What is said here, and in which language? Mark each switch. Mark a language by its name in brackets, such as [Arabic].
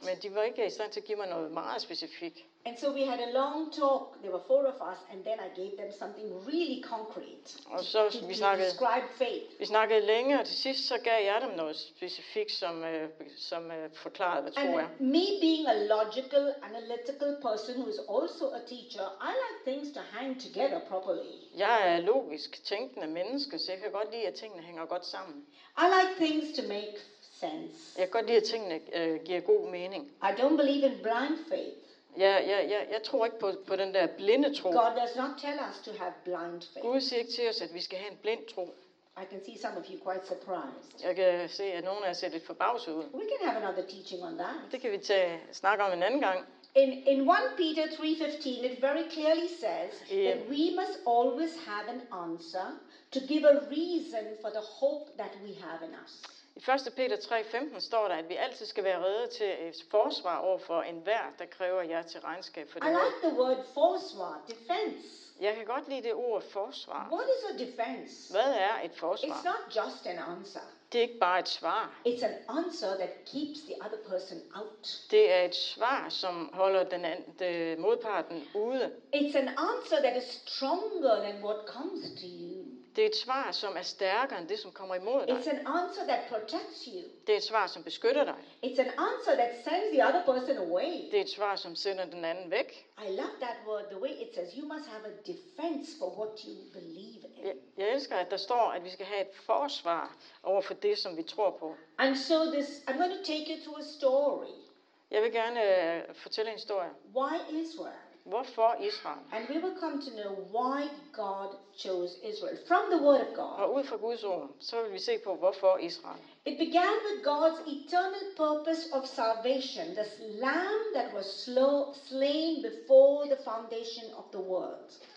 [Danish] Men de var ikke i stand til at give mig noget meget specifikt. [English] And so we had a long talk. There were four of us, and then I gave them something really concrete. [Danish] Og så vi snakkede. [English] Describe faith. [Danish] Vi snakkede længe, og til sidst så gav jeg dem noget specifikt, som forklarede hvad tro [English] and [Danish] er. [English] And me being a logical, analytical person who is also a teacher, I like things to hang together properly. [Danish] Jeg er logisk tænkende menneske, så jeg kan godt lide at tingene hænger godt sammen. [English] I like things to make sense. [Danish] Jeg kan godt lide at tingene giver god mening. [English] I don't believe in blind faith. [Danish] Jeg tror ikke på den der blinde tro. [English] God does not tell us to have blind faith. [Danish] Gud siger ikke til os, at vi skal have en blind tro. [English] I can see some of you quite surprised. [Danish] Jeg kan se, at nogle af jer ser lidt forbavset ud. [English] We can have another teaching on that. [Danish] Det kan vi snakke om en anden gang. [English] In 1 Peter 3:15, it very clearly says that we must always have an answer to give a reason for the hope that we have in us. [Danish] I 1. Peter 3:15 står der, at vi altid skal være rede til forsvar over for enhver, der kræver jer til regnskab for det. [English] I like the word forsvar, defense. [Danish] Jeg kan godt lide det ord forsvar. [English] What is a defense? [Danish] Hvad er et forsvar? [English] It's not just an answer. [Danish] Det er ikke bare et svar. [English] It's an answer that keeps the other person out. [Danish] Det er et svar, som holder den modparten ude. [English] It's an answer that is stronger than what comes to you. [Danish] Det er et svar, som er stærkere end det, som kommer imod dig. [English] It's an answer that protects you. [Danish] Det er et svar, som beskytter dig. [English] It's an answer that sends the other person away. [Danish] Det er et svar, som sender den anden væk. [English] I love that word, the way it says you must have a defense for what you believe in. [Danish] Jeg elsker, at der står, at vi skal have et forsvar over for det, som vi tror på. [English] And so this, I'm going to take you to a story. [Danish] Jeg vil gerne fortælle en historie. [English] Why Israel? [Danish] Hvorfor Israel? [English] And we will come to know why God chose Israel from the word of God. [Danish] Og ud fra Guds ord, så vil vi se på hvorfor Israel. [English] It began with God's eternal purpose of salvation, this lamb that was slain before the foundation of the world.